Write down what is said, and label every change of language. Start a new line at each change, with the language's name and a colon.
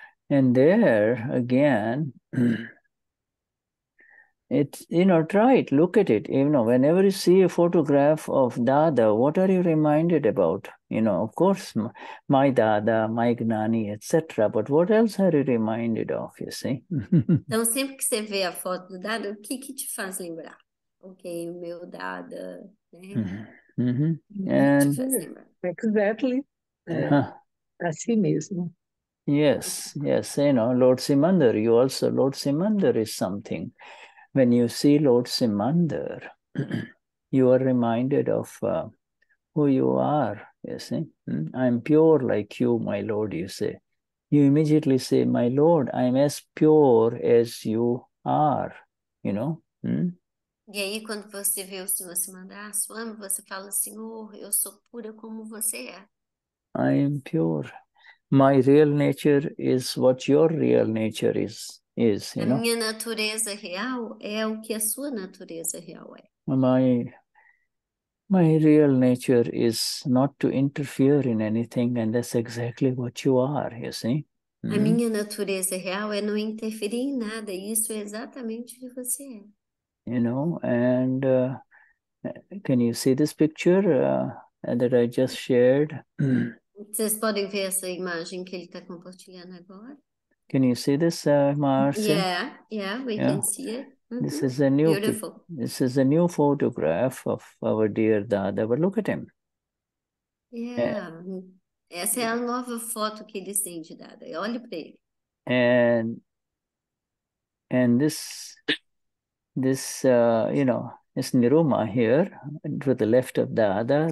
English: And there again, it's, you know, try it, look at it. You know, whenever you see a photograph of Dada, what are you reminded about? You know, of course, my Dada, my Gnani, etc. But what else are you reminded of, you see?
Portuguese: Então, sempre que você vê a foto do Dada, o que que te faz lembrar? Ok, o meu Dada, né? O que te faz lembrar? Exactly. A si mesmo.
English: Yes, you know, Lord Simandar, you also, Lord Simandar is something. When you see Lord Simandar, you are reminded of who you are, you see. I'm pure like you, my Lord, you say. You immediately say, my Lord, I'm as pure as you are, you know.
Portuguese: E aí, quando você vê o Senhor Simandar, Swami, você fala, Senhor, eu sou pura como você é.
English: I am pure. My real nature is what your real nature is, you
Portuguese: A
English: know.
Portuguese: Minha natureza real é o que a sua natureza real é.
English: My real nature is not to interfere in anything, and that's exactly what you are, you see.
Portuguese: A minha natureza real é não interferir em nada, e isso é exatamente o que você é.
English: You know, and can you see this picture that I just shared?
Portuguese: Vocês podem ver essa imagem que ele está compartilhando agora?
English: Can you see this, Marcia? Yeah, we can see it. This is a new Beautiful. This is a new photograph of our dear Dada. But look at him.
Portuguese: Yeah, essa é a nova foto que eles têm de Dada. Olhe para ele.
English: And you know, is Niruma here to the left of Dada.